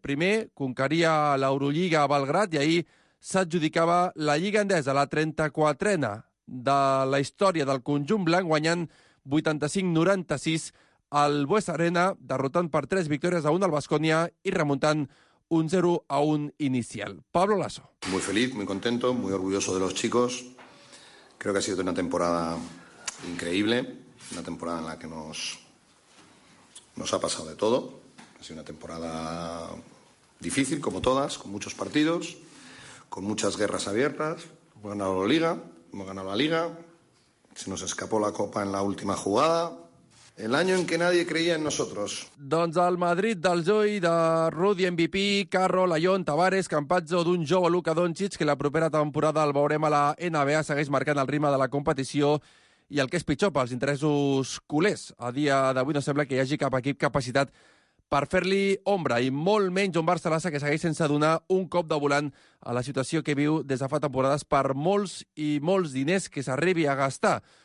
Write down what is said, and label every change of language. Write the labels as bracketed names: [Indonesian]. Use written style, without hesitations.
[Catalan] Primer, conqueria l'Eurolliga a Belgrat, i ahir s'adjudicava la Lliga Endesa, la 34a. De la història del conjunt blanc, guanyant 85-96 al Buesa Arena, derrotant per 3 victòries a 1 al Baskonia i remuntant un 0-1 inicial. Pablo Lasso. [Spanish] Muy feliz, muy contento, muy orgulloso de los chicos. Creo que ha sido una temporada increíble, una temporada en la que nos ha pasado de todo. Ha sido una temporada difícil, como todas, con muchos partidos, con muchas guerras abiertas. Hemos ganado la Liga. Hemos ganado la Liga, se nos escapó la Copa en la última jugada, el año en que nadie creía en nosotros. [Catalan] Doncs el Madrid del Joy, de Rudy, MVP, Carro, Layón, Tavares, Campazzo, d'un jove Luka Doncic, que la propera temporada el veurem a la NBA, segueix marcant el ritme de la competició, i el que és pitjor pels interessos culers. A dia d'avui no sembla que hi hagi cap equip capacitat per fer-li ombra, i molt menys un Barça-Lassa que segueix sense donar un cop de volant a la situació que viu des de fa temporades per molts i molts diners que s'arribi a gastar.